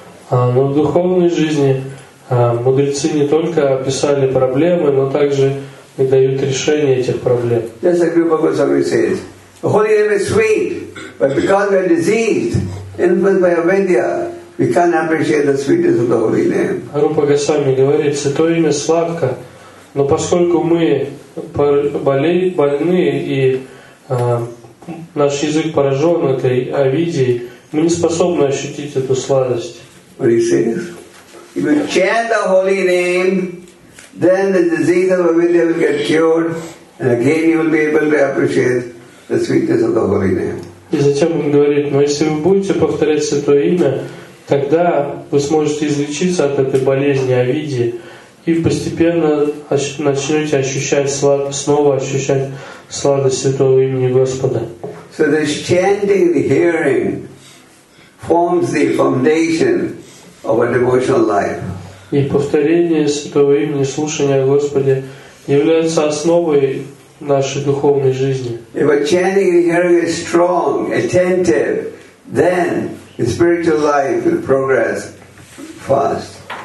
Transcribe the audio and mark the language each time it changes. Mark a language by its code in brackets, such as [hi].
[ru] Но в духовной жизни мудрецы не только описали проблемы, но также и дают решение этих проблем. [en] Just like Rupa Goswami says, the holy name is sweet, but because we are diseased, influenced by avidya, we can't appreciate the sweetness of the holy name. [ru] Рупа Госвами говорит, святое имя сладко, но поскольку мы больны и наш язык поражен этой авидией, мы не способны ощутить эту сладость. [en] What he says? If you chant the holy name, then the disease of avidya will get cured, and again you will be able to appreciate the sweetness of the holy name. [ru] И затем он говорит, но если вы будете повторять святое имя, тогда вы сможете излечиться от этой болезни авидии и постепенно начнете ощущать снова ощущать сладость святого имени Господа. [en] So the chanting, the hearing, forms the foundation of a devotional life. [ru] И повторение святого имени, слушание о Господе является основой нашей духовной жизни. [en] If a chanting and hearing is strong, attentive, then the spiritual life will progress fast.